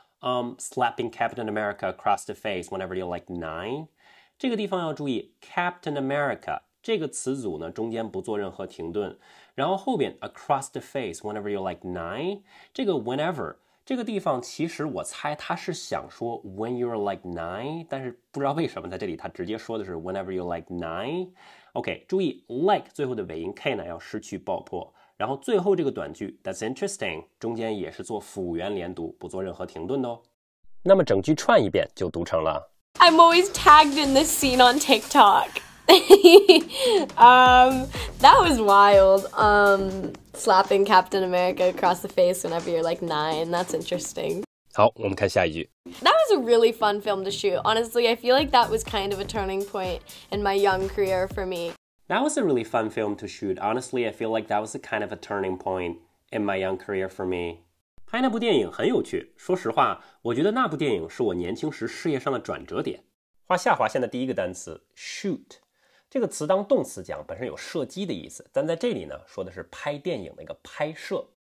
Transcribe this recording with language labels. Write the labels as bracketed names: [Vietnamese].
[English] Slapping Captain America across the face whenever you're like 9， [Chinese] 这个地方要注意 Captain America 这个词组呢中间不做任何停顿，然后后边 [English] across the face whenever you're like 9， [Chinese] 这个 whenever这个地方其实我猜他是想说 [English] when you're like 9， [Chinese] 但是不知道为什么在这里他直接说的是 [English] whenever you're like 9。 [Chinese] OK， 注意 like 最后的尾音 k 呢要失去爆破，然后最后这个短句 [English] that's interesting [Chinese] 中间也是做辅元连读，不做任何停顿的哦。那么整句串一遍就读成了 [English] I'm always tagged in this scene on TikTok. that was wild. Slapping Captain America across the face whenever you're like 9, that's interesting. [Chinese] 好，我们看下一句。 [English] That was a really fun film to shoot. Honestly, I feel like that was kind of a turning point in my young career for me. That was a really fun film to shoot. Honestly, I feel like that was a kind of a turning point in my young career for me. [Chinese] 拍那部电影很有趣，说实话，我觉得那部电影是我年轻时事业上的转折点。画下划线的第一个单词 shoot，这个词当动词讲本身有射击的意思，但在这里呢说的是拍电影的一个拍摄。